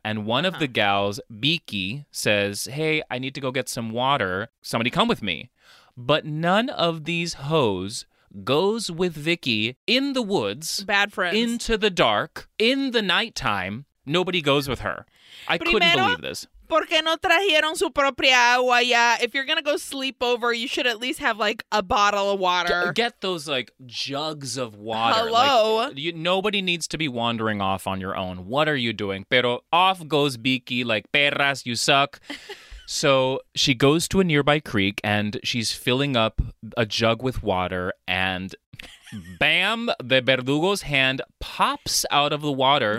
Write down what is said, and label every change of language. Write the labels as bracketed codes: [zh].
[en] And one of the gals, Biki, says, hey, I need to go get some water. Somebody come with me. But none of these hoes goes with Vicky in the woods. Bad friends. Into the dark, in the nighttime. Nobody goes with her. I [es] Primero, [en] couldn't believe this. [es] ¿Por qué no trajeron su propia agua? [en] Yeah, if you're going to go sleep over, you should at least have, like, a bottle of water. Get those, like, jugs of water. Hello? Like, nobody needs to be wandering off on your own. What are you doing? [es] Pero [en] off goes Biki, like, [es] perras, [en] you suck. So she goes to a nearby creek, and she's filling up a jug with water, and bam, the verdugo's hand pops out of the water.